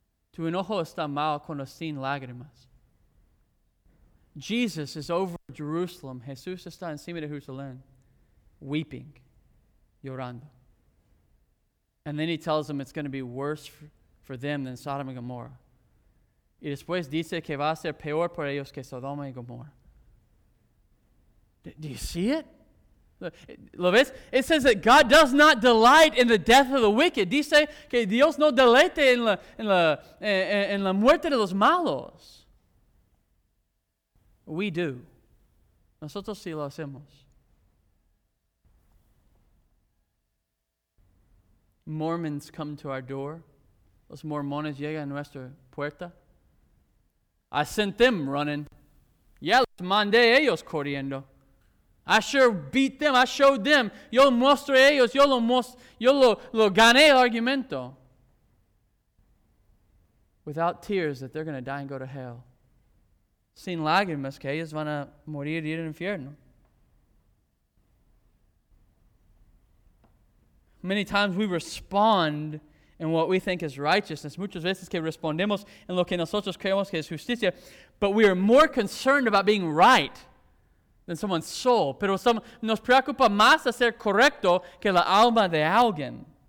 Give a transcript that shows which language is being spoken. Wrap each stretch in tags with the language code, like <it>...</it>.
<es>Tu enojo está mal cuando sin lágrimas.</es> <en>Jesus is over Jerusalem.</en> <es>Jesús está encima de Jerusalén, weeping, llorando.</es> <en>And then he tells them it's going to be worse for them than Sodom and Gomorrah.</en> <es>Y después dice que va a ser peor por ellos que Sodoma y Gomorra.</es> <en>Do you see it?</en> <es>¿Lo ves?</es> <en>It says that God does not delight in the death of the wicked.</en> <es>Dice que Dios no deleite en la muerte de los malos.</es> <en>We do.</en> <es>Nosotros sí lo hacemos.</es> <en>Mormons come to our door.</en> <es>Los mormones llegan a nuestra puerta.</es> <en>I sent them running. Yeah,</en> <es>les mandé ellos corriendo.</es> <en>I sure beat them. I showed them.</en> <es>Yo mostré ellos. Yo lo gané el argumento.</es> <en>Without tears that they're going to die and go to hell.</en> <es>Sin lágrimas que ellos van a morir y ir al infierno.</es> <en>Many times we respond in what we think is righteousness.</en> <es>Muchas veces que respondemos en lo que nosotros creemos que es justicia.</es> <en>But we are more concerned about being right than someone's soul.</en> <es>Pero nos preocupa más hacer correcto que la alma de alguien.</es>